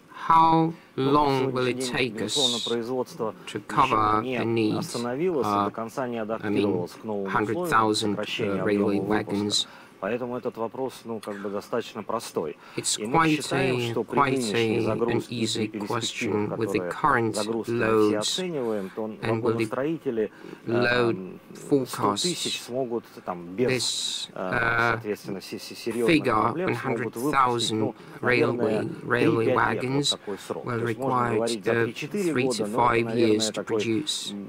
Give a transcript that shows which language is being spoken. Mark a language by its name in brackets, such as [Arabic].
[English] how long will it take us to cover the needs, 100,000 railway wagons? [Russian] Поэтому этот вопрос, ну, как бы достаточно простой. [English] It's quite an easy question. With the current loads and with the load forecasts, this figure, 100,000 railway wagons, will require 3 to 5 years to produce.